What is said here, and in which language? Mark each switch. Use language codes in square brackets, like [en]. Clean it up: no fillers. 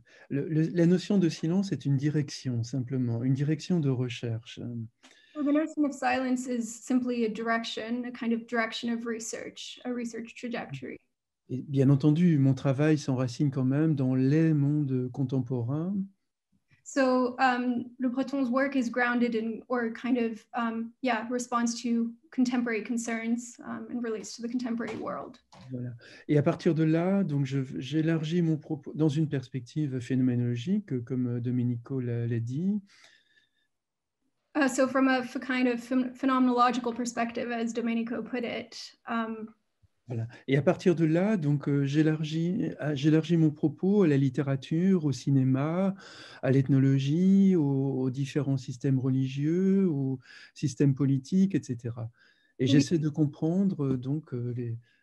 [fr] La notion de silence est une direction, simplement, une direction de recherche. [en] Well, the notion of silence is simply a direction, a kind of direction of research, a research trajectory. [fr] Et bien entendu, mon travail s'enracine quand même dans les mondes contemporains. [en] So, Le Breton's work is grounded in, or kind of, responds to contemporary concerns and relates to the contemporary world. [fr] Voilà. Et à partir de là, donc, j'élargis mon propos dans une perspective phénoménologique, comme Domenico l'a dit. [en] So, from a kind of phenomenological perspective, as Domenico put it. [fr] Voilà. Et à partir de là, donc, j'élargis mon propos à la littérature, au cinéma, à l'ethnologie, aux différents systèmes religieux, aux systèmes politiques, etc. Et j'essaie de comprendre donc, les,